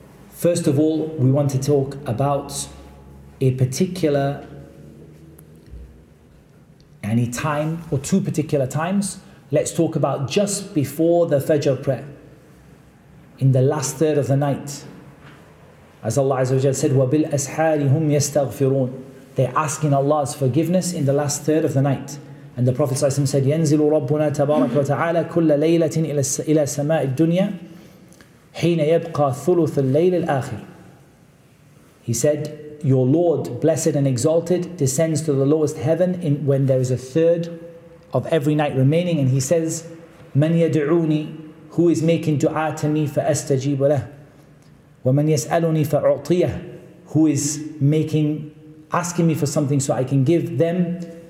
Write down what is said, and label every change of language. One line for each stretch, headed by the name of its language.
English: First of all, we want to talk about a particular any time or two particular times. Let's talk about just before the Fajr prayer, in the last third of the night. As Allah Azza wa Jalla said,
Arabic: وَبِالْ أَسْحَارِ هُمْ يَسْتَغْفِرُونَ.
English: They're asking Allah's forgiveness in the last third of the night. And the Prophet ﷺ said,
Arabic: يَنْزِلُ رَبُّنَا تَبَارَكَ وَتَعَالَى كُلَّ لَيْلَةٍ إِلَى سَمَاءِ الدُّنْيَا حِينَ يَبْقَى ثُلُثُ اللَّيْلِ الْآخِرِ.
English: He said, your Lord, blessed and exalted, descends to the lowest heaven when there is a third of every night remaining, and he says,
Arabic: "Man yad'uni,
English: who is making du'a to me,
Arabic: fa astajib lah. Wa man yas'aluni fa u'tiyah,
English: who is asking me for something so I can give them.